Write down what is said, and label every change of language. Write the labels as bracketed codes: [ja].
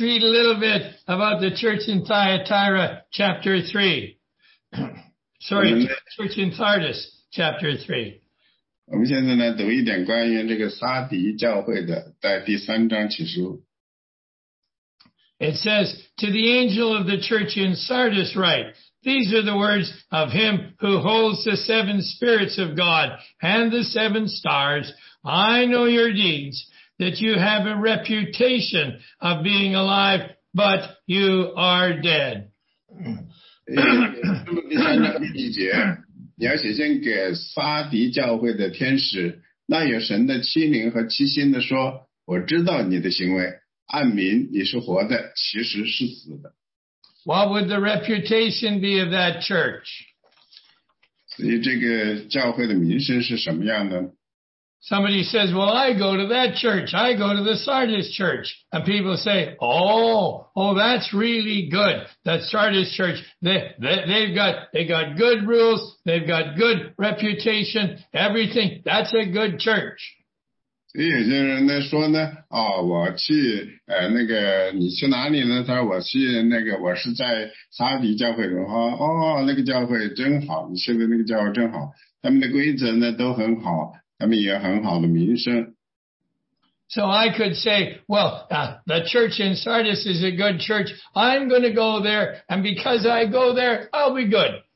[en] read a little bit about the church in Thyatira, chapter 3. Sorry, church in Sardis, chapter 3. [zh] 我们现在呢，读一点关于这个撒迪教会的，在第三章启示录。 [en] It says, to the angel of the church in Sardis write, these are the words of him who holds the seven spirits of God and the seven stars. I know your deeds, that you have a reputation of being alive, but you are dead. [zh] 那么第三章第一节，你要写信给撒迪教会的天使，那有神的七灵和七心的说，我知道你的行为，按明你是活的，其实是死的。What [en] would the reputation be of that church? [zh] 所以这个教会的名声是什么样的？ [en] Somebody says, well, I go to that church. I go to the Sardis church. And people say, oh, that's really good. That Sardis church, they've got good rules. They've got good reputation, everything. That's a good church. [zh] 有些人呢说呢，哦，我去，哎，那个你去哪里呢？他说我去那个，我是在沙迪教会。我说哦，那个教会真好，你去的那个教会真好，他们的规则呢都很好。他们也很好的名声。 [en] So I could say, well, the church in Sardis is a good church. I'm going to go there, and because I go there, I'll be good.